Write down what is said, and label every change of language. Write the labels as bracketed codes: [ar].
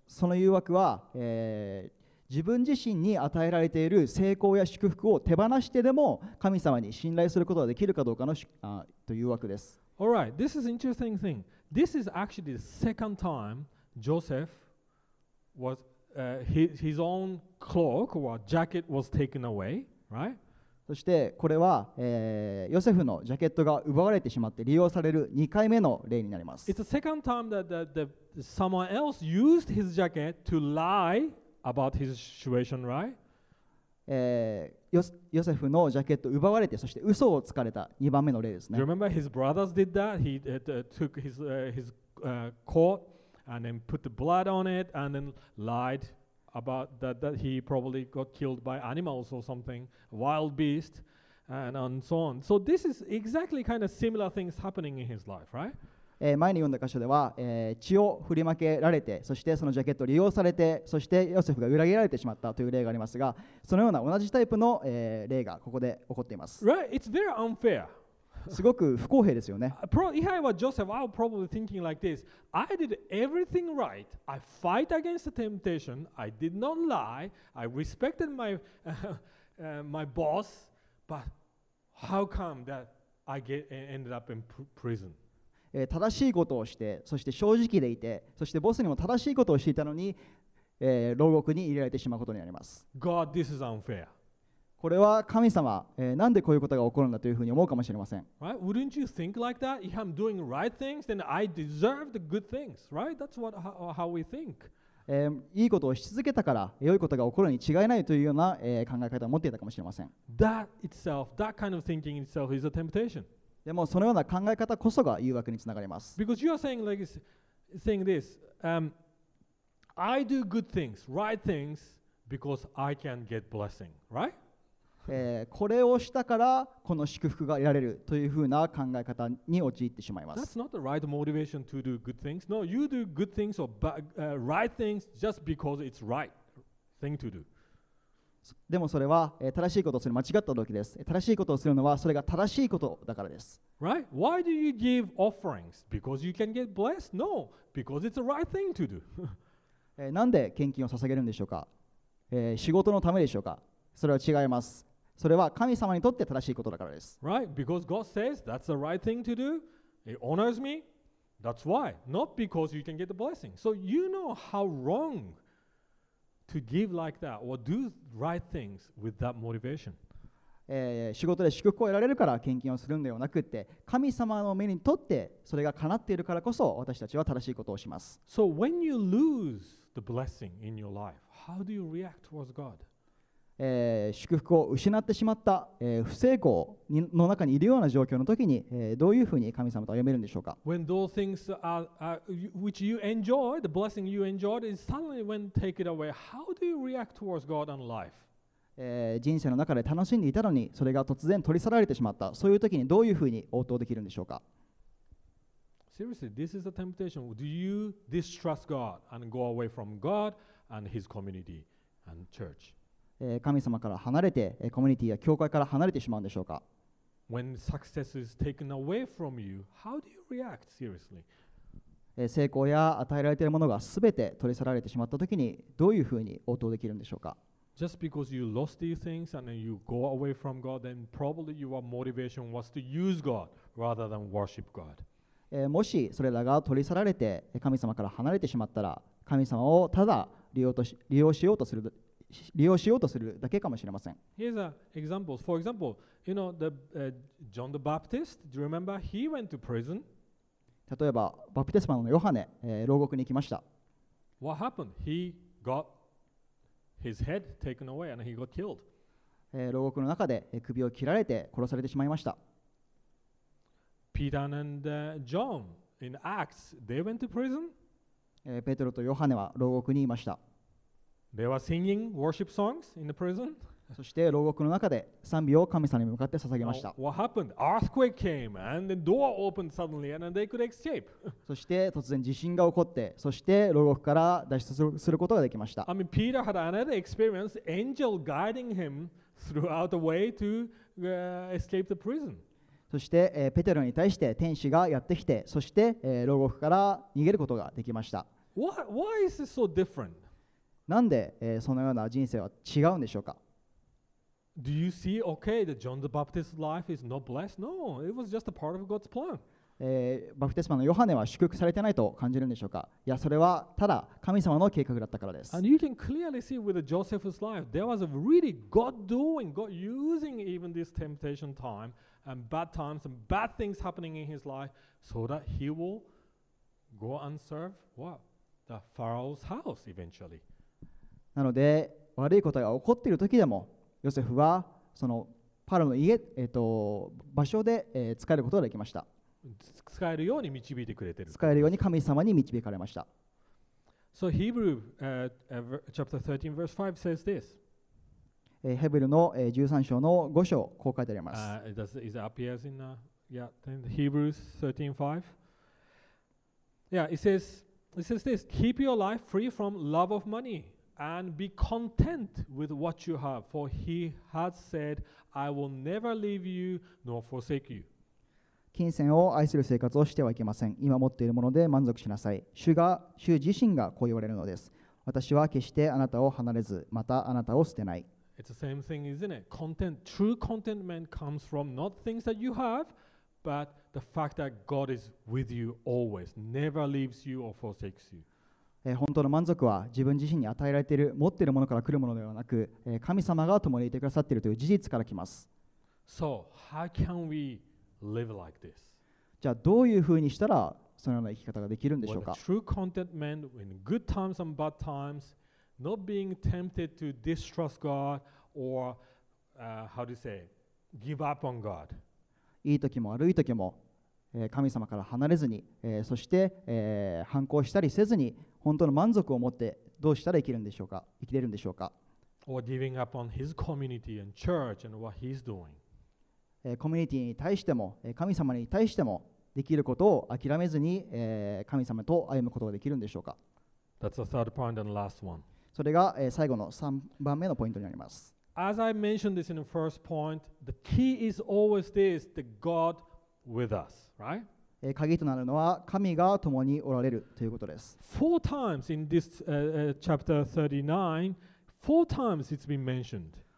[ja] その誘惑は、自分自身に与えられている成功や祝福を手放してでも神様に信頼することができるかどうかのという誘惑です。 [en] All right, this is an interesting thing. This is actually the second time Joseph was, his own cloak or jacket was taken away, right? [ja] そしてこれは、ヨセフのジャケットが奪われてしまって利用される2回目の例になります。 [en] It's the second time that someone else used his jacket to lie about his situation, right? [ja] ヨセフのジャケットを奪われてそして嘘をつかれた2番目の例ですね。 [en] Do you remember his brothers did that? He took his coat and then put the blood on it and then liedabout that he probably got killed by animals or something, wild beast, and so on. So this is exactly kind of similar things happening in his life, right? [ja] 前に読んだ箇所では、血を振りまけられて、そしてそのジャケットを利用されて、そしてヨセフが裏切られてしまったという例がありますが、そのような同じタイプの、例がここで起こっています。 [en] Right? It's very unfair. [ja] すごく不公平ですよね。 [en] If I were Joseph, I would probably thinking like this. I did everything right. I fight against the temptation. I did not lie. I respected my boss. But how come that I ended up in prison? [ja] 正しいことをして、そして正直でいて、そしてボスにも正しいことをしていたのに、牢獄に入れられてしまうことになります。 [en] God, this is unfair. [ja] これは神様、なんでこういうことが起こるんだというふうに思うかもしれません。 [en] Right? Wouldn't you think like that? If I'm doing right things, then I deserve the good things, right? That's what how we think. [ja] いいことをし続けたから良いことが起こるに違いないというような、考え方を持っていたかもしれません。 [en] That itself, that kind of thinking itself is a temptation. [ja] でもそのような考え方こそが誘惑につながります。 [en] Because you are saying like saying this, I do good things, right things, because I can get blessing, right? [ja] これをしたからこの祝福が得られるというふうな考え方に陥ってしまいます。 [en] That's not the right motivation to do good things. No, you do good things or right things just because it's right thing to do. [ja] でもそれは、正しいことをする間違った動機です。正しいことをするのはそれが正しいことだからです。 [en] Right? Why do you give offerings? Because you can get blessed? No, because it's a right thing to do. [ja] なんで献金を捧げるんでしょうか、仕事のためでしょうか。それは違います。それは神様にとって正しいことだからです。 [en] Right, because God says that's the right thing to do. It honors me. That's why. Not because you can get the blessing. So you know how wrong to give like that or do right things with that motivation. [ja] 仕事で祝福を得られるから献金をするのではなくて、神様の目にとってそれがかなっているからこそ私たちは正しいことをします。 [en] So when you lose the blessing in your life, how do you react towards God? [ja] 祝福を失ってしまった、不成功の中にいるような状況の時に、どういうふうに神様と歩めるんでしょうか。 [en] When those things which you enjoy, the blessing you enjoyed is suddenly when taken away, how do you react towards God and life? [ja] 人生の中で楽しんでいたのに、それが突然取り去られてしまった、そういう時にどういうふうに応答できるんでしょうか。 [en] Seriously, this is a temptation. Do you distrust God and go away from God and His community and church? [ja] 神様から離れて、コミュニティや教会から離れてしまうんでしょうか。 [en] When success is taken away from you, how do you react seriously? [ja] 成功や与えられているものがすべて取り去られてしまったときに、どういうふうに応答できるんでしょうか。 [en] Just because you lost these things and then you go away from God, then probably your motivation was to use God rather than worship God. [ja] もしそれらが取り去られて、神様から離れてしまったら、神様をただ利用しようとする。利用しようとするだけかもしれません。 [en] Here's an example. For example, you know the John the Baptist. Do you remember he went to prison? [ja] 例えばバプテスマのヨハネ、牢獄に行きました。 [en] What happened? He got his head taken away and he got killed. [ja] 牢獄の中で首を切られて殺されてしまいました。 [en] Peter and John in Acts, they went to prison. [ja] ペテロとヨハネは牢獄にいました。 [en] They were singing worship songs in the prison. [ja] そして牢獄の中で賛美を神様に向かって捧げました。 [en] Now, what happened? Earthquake came and the door opened suddenly and they could escape. [ja] そして突然地震が起こって、そして牢獄から脱出することができました。 [en] I mean, Peter had another experience, angel guiding him throughout the way to escape the prison. [ja] そして、ペテロに対して天使がやってきて、そして、牢獄から逃げることができました。 [en] Why is it so different? [ja] なんで、そのような人生は違うんでしょうか? [en] Do you see, okay, that John the Baptist's life is not blessed? No, it was just a part of God's plan. [ja] バプテスマのヨハネは祝福されてないと感じるんでしょうか?いや、それはただ神様の計画だったからです。 [en] And you can clearly see with Joseph's life, there was a really God doing, God using even this temptation time and bad times and bad things happening in his life so that he will go and serve what? The Pharaoh's house eventually. [ja] なので悪いことが起こっている時でもヨセフはそのパロの家、場所で、使えることができました。使えるように導いてくれてる。使えるように神様に導かれました。 [en] So Hebrew chapter 13 verse 5 says this. [ja] ヘブルの、13章の5章こう書いてあります。 [en] Is it appears in Hebrews 13:5? Yeah, it says this. Keep your life free from love of money. And be content with what you have, for he has said, I will never leave you nor forsake you. [ja] 金銭を愛する生活をしてはいけません。今持っているもので満足しなさい。主自身がこう言われるのです。私は決してあなたを離れず、またあなたを捨てない。 [en] It's the same thing, isn't it? Content, true contentment comes from not things that you have, but the fact that God is with you always, never leaves you or forsakes you. [ja] 本当の満足は自分自身に与えられている持っているものから来るものではなく、神様が共にいてくださっているという事実から来ます。 [en] So, how can we live like this? [ja] じゃあどういうふうにしたらそのような生き方ができるんでしょうか? [en] With true contentment in good times and bad times, not being tempted to distrust God or how do you say, give up on God. [ja] いい時も悪い時も、神様から離れずに、そして、反抗したりせずに。本当の満足を持ってどうしたら生きるんでしょうか、生きれるんでしょうか。 [en] Or giving up on his community and church and what he's doing. [ja] コミュニティに対しても、神様に対してもできることを諦めずに、神様と歩むことができるんでしょうか。 [en] That's the third point and last one. [ja] それが、最後の3番目のポイントになります。 [en] As I mentioned this in the first point, the key is always this, the God with us, right? [ja] 鍵となるのは神が共におられるということです。 [en] Four times in this chapter 39, four times it's been mentioned.